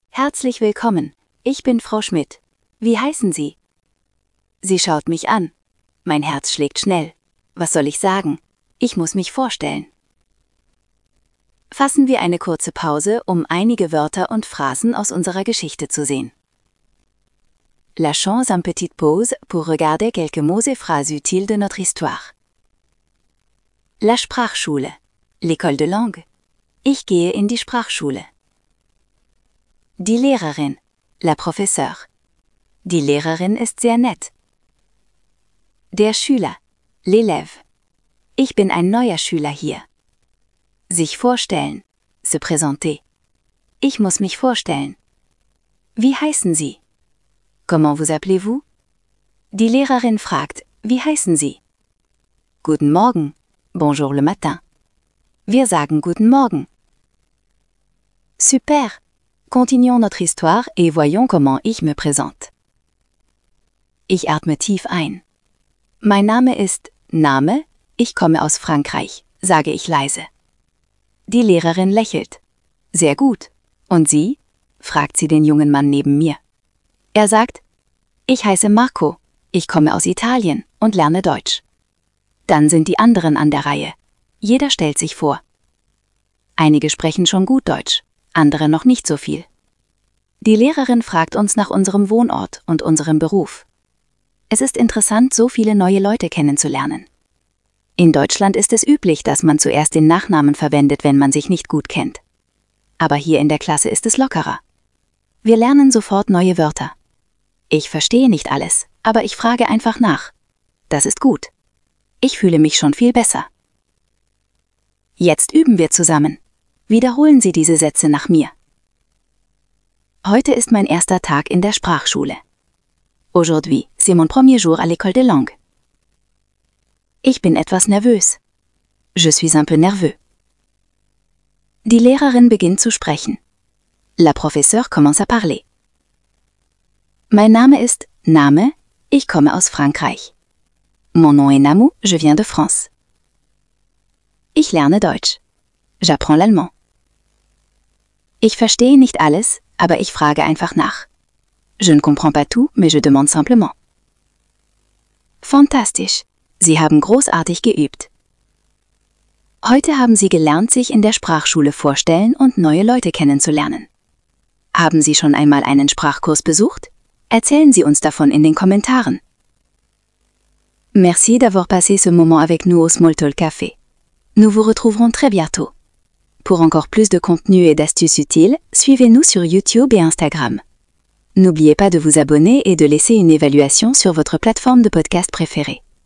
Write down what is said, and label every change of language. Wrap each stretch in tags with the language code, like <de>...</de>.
<de>Herzlich willkommen. Ich bin Frau Schmidt. Wie heißen Sie? Sie schaut mich an. Mein Herz schlägt schnell. Was soll ich sagen? Ich muss mich vorstellen. Fassen wir eine kurze Pause, um einige Wörter und Phrasen aus unserer Geschichte zu sehen.</de> <fr>Lâchons une petite pause pour regarder quelques mots et phrases utiles de notre histoire.</fr> <de>La Sprachschule.</de> <fr>L'école de langue.</fr> <de>Ich gehe in die Sprachschule. Die Lehrerin.</de> <fr>La professeure.</fr> <de>Die Lehrerin ist sehr nett. Der Schüler.</de> <fr>L'élève.</fr> <de>Ich bin ein neuer Schüler hier. Sich vorstellen.</de> <fr>Se présenter.</fr> <de>Ich muss mich vorstellen. Wie heißen Sie?</de> <fr>Comment vous appelez-vous?</fr> <de>Die Lehrerin fragt, wie heißen Sie? Guten Morgen.</de> <fr>Bonjour le matin.</fr> <de>Wir sagen guten Morgen. Super.</de> <fr>Continuons notre histoire et voyons comment ich me présente.</fr> <de>Ich atme tief ein. Mein Name ist Name, ich komme aus Frankreich, sage ich leise. Die Lehrerin lächelt. Sehr gut. Und Sie? Fragt sie den jungen Mann neben mir. Er sagt, ich heiße Marco, ich komme aus Italien und lerne Deutsch. Dann sind die anderen an der Reihe. Jeder stellt sich vor. Einige sprechen schon gut Deutsch, andere noch nicht so viel. Die Lehrerin fragt uns nach unserem Wohnort und unserem Beruf. Es ist interessant, so viele neue Leute kennenzulernen. In Deutschland ist es üblich, dass man zuerst den Nachnamen verwendet, wenn man sich nicht gut kennt. Aber hier in der Klasse ist es lockerer. Wir lernen sofort neue Wörter. Ich verstehe nicht alles, aber ich frage einfach nach. Das ist gut. Ich fühle mich schon viel besser. Jetzt üben wir zusammen. Wiederholen Sie diese Sätze nach mir. Heute ist mein erster Tag in der Sprachschule.</de> <fr>Aujourd'hui, c'est mon premier jour à l'école de langue.</fr> <de>Ich bin etwas nervös.</de> <fr>Je suis un peu nerveux.</fr> <de>Die Lehrerin beginnt zu sprechen.</de> <fr>La professeure commence à parler.</fr> <de>Mein Name ist Name, ich komme aus Frankreich.</de> <fr>Mon nom est Namu, je viens de France.</fr> <de>Ich lerne Deutsch.</de> <fr>J'apprends l'allemand.</fr> <de>Ich verstehe nicht alles, aber ich frage einfach nach.</de> <fr>Je ne comprends pas tout, mais je demande simplement.</fr> <de>Fantastisch. Sie haben großartig geübt. Heute haben Sie gelernt, sich in der Sprachschule vorstellen und neue Leute kennenzulernen. Haben Sie schon einmal einen Sprachkurs besucht? Erzählen Sie uns davon in den Kommentaren.</de> <fr>Merci d'avoir passé ce moment avec nous au Small Talk Café. Nous vous retrouverons très bientôt. Pour encore plus de contenu et d'astuces utiles, suivez-nous sur YouTube et Instagram. N'oubliez pas de vous abonner et de laisser une évaluation sur votre plateforme de podcast préférée.</fr>